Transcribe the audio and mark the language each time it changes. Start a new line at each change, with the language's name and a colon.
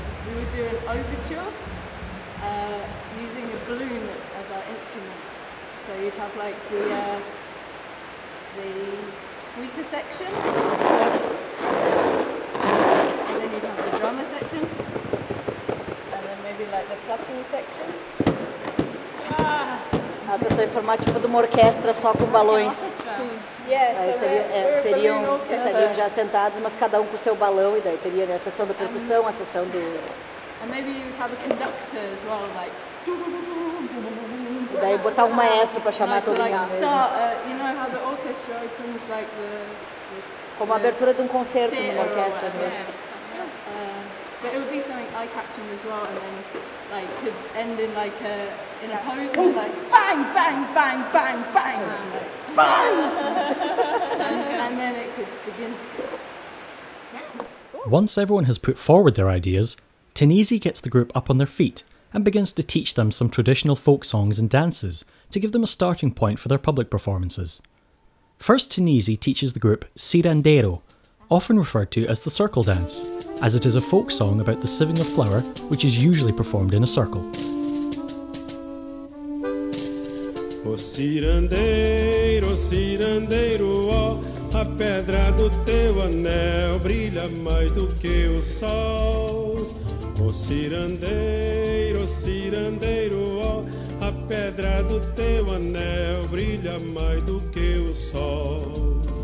English: We would do an overture using a balloon as our instrument. So you'd have like the squeaker section, and then you'd have the drummer section, and then maybe like the plucking section.
Portuguese: A pessoa informar tipo de uma orquestra só com balões.
English: Yeah, so seriam
Portuguese: já sentados, mas cada um com seu balão, e daí teria, né, a sessão da percussão, a sessão do...
English: And maybe you'd have a conductor as well, like
Portuguese: Daí botar um maestro para chamar todo mundo.
English: You know how the orchestra opens like the
Portuguese: como a abertura de concerto numa orquestra, né?
English: But it would be something eye-catching as well, and then like could end in like in a pose, and like bang, bang, bang, bang, bang, bang, and then it could begin. Once everyone has put forward their ideas, Tanisi gets the group up on their feet and begins to teach them some traditional folk songs and dances to give them a starting point for their public performances. First, Tanisi teaches the group Cirandero, often referred to as the circle dance, as it is a folk song about the sieving of flour, which is usually performed in a circle.
Portuguese: O cirandeiro, cirandeiro, oh, a pedra do teu anel brilha mais do que o sol. O cirandeiro, cirandeiro, oh, a pedra do teu anel brilha mais do que o sol.